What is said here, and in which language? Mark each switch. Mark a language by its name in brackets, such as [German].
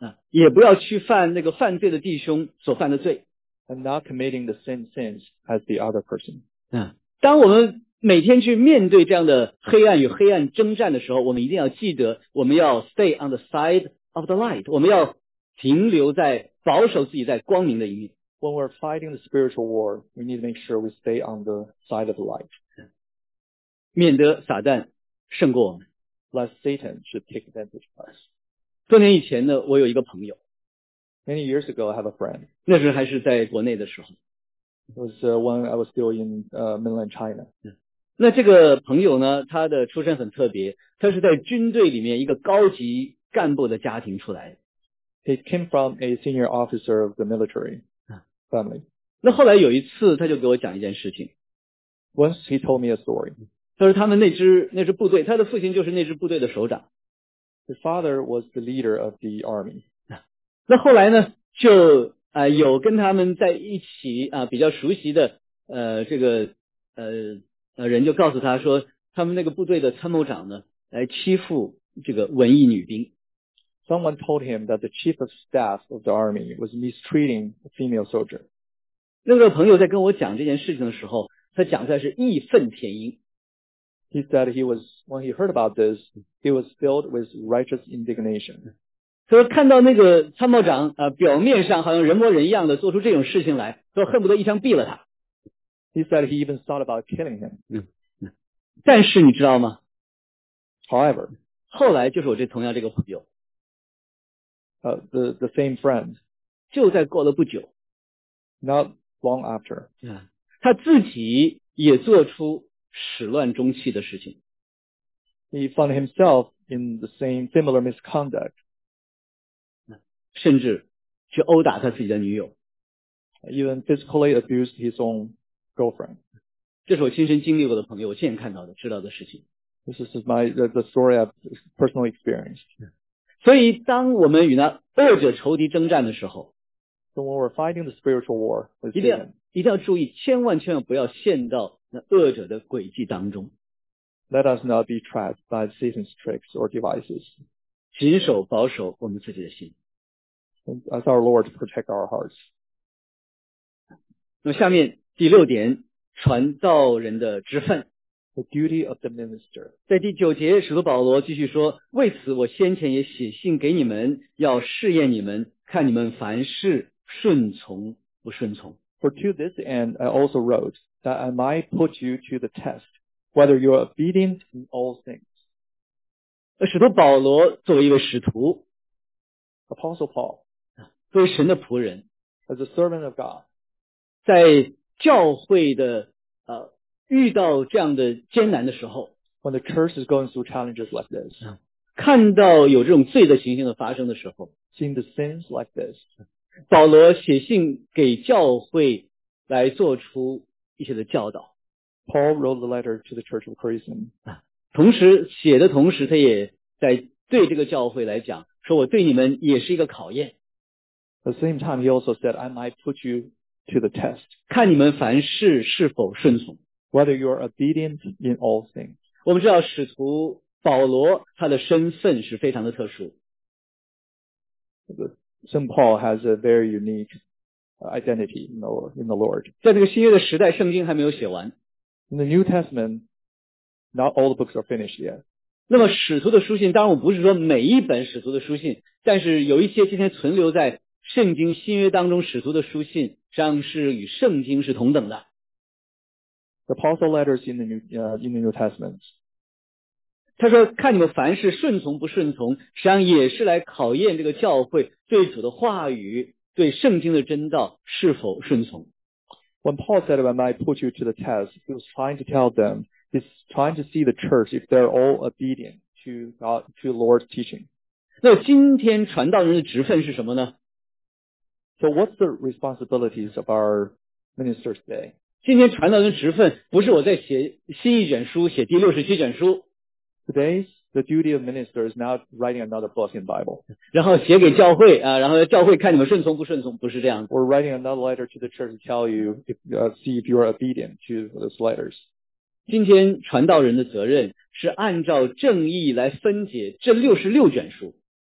[Chinese] 也不要去犯那个犯罪的弟兄所犯的罪。 [English] And not committing the same sins as the other person. [Chinese] 当我们每天去面对这样的黑暗与黑暗征战的时候，我们一定要记得，我们要 [English] stay on the side of the light， [Chinese] 我们要停留在保守自己在光明的一面。 [English] When we're fighting the spiritual war, we need to make sure we stay on the side of the light， [Chinese] 免得撒旦胜过我们。 [English] Lest Satan should take advantage of us。 [Chinese] 多年以前呢，我有一个朋友。 [English] Many years ago, I have a friend。 [Chinese] 那时还是在国内的时候。 [English] It was when I was still in mainland China. [Chinese] 那这个朋友呢，他的出身很特别，他是在军队里面一个高级干部的家庭出来。 [English] He came from a senior officer of the military family. [Chinese] 那后来有一次，他就给我讲一件事情。 [English] Once he told me a story. [Chinese] 他说他们那支部队，他的父亲就是那支部队的首长。 [English] His father was the leader of the army. [Chinese] 那后来呢，就有跟他们在一起比较熟悉的人就告诉他说，他们那个部队的参谋长呢，来欺负这个文艺女兵。 [English] Someone told him that the chief of staff of the army was mistreating a female soldier. [Chinese] 那个朋友在跟我讲这件事情的时候，他讲出来是义愤填膺。 [English] He said he was, when he heard about this, he was filled with righteous indignation. [Chinese] 所以看到那个参谋长表面上好像人模人样的做出这种事情来，说恨不得一枪毙了他。 [English] He said he even thought about killing him. [Chinese] 但是你知道吗？ [English] However, [Chinese] 后来就是我这同样这个朋友。 [English] The same friend. [Chinese] 就在过了不久。 [English] Not long after. [Chinese] 他自己也做出始乱终弃的事情。 [English] He found himself in the same similar misconduct. [Chinese] 甚至去殴打他自己的女友。 [English] Even physically abused his own girlfriend. [Chinese] 这是我亲身经历过的朋友，我亲眼看到的，知道的事情。 [English] This is the story I've personally experienced. [Chinese] 所以当我们与那恶者仇敌征战的时候， [English] So when we're fighting the spiritual war with Satan, [Chinese] 一定要注意，千万千万不要陷到那恶者的诡计当中。 [English] Let us not be trapped by Satan's tricks or devices. [Chinese] 谨守保守我们自己的心。 [English] Ask our Lord to protect our hearts. [Chinese] 那么下面第六点，传道人的职分。 [English] The duty of the minister. [Chinese] 在第九节，使徒保罗继续说，为此我先前也写信给你们，要试验你们，看你们凡事顺从不顺从。 [English] For to this end, I also wrote that I might put you to the test, whether you are obedient in all things. [Chinese] 使徒保罗作为一位使徒， [English] Apostle Paul, [Chinese] 作为神的仆人， [English] as a servant of God, [Chinese] 在教会的遇到这样的艰难的时候， [English] When the church is going through challenges like this, [Chinese] 看到有这种罪的情形的发生的时候， [English] Seeing the sins like this, [Chinese] 保罗写信给教会来做出一些的教导。 [English] Paul wrote the letter to the church of Christ. [Chinese] 同时写的同时，他也在对这个教会来讲，说我对你们也是一个考验。 [English] At the same time, he also said, I might put you to the test, [Chinese] 看你们凡事是否顺从。 [English] Whether you are obedient in all things. [Chinese] 我们知道使徒保罗他的身份是非常的特殊。 [English] St. Paul has a very unique identity in the Lord. [Chinese] 在这个新约的时代，圣经还没有写完。 [English] In the New Testament, not all the books are finished yet. [Chinese] 那么使徒的书信，当然我不是说每一本使徒的书信，但是有一些今天存留在圣经新约当中使徒的书信，实际上是与圣经是同等的。 [English] The apostle letters in the New Testament. [Chinese] 他说看你们凡事顺从不顺从，实际上也是来考验这个教会对主的话语，对圣经的真道是否顺从。 [English] When Paul said, I might put you to the test, he was trying to tell them, he's trying to see the church if they're all obedient to God, to Lord's teaching. [Chinese] 那今天传道人的职分是什么呢？ [English] So what's the responsibilities of our ministers today? [Chinese] 今天传道人的职分不是我在写新一卷书，写第六十七卷书。 [English] Today's the duty of minister is not writing another book in the Bible. [Chinese] 然后写给教会然后教会看你们顺从不顺从，不是这样。 [English] We're writing another letter to the church to tell you see if you are obedient to those letters. [Chinese] 今天传道人的责任是按照正义来分解这六十六卷书。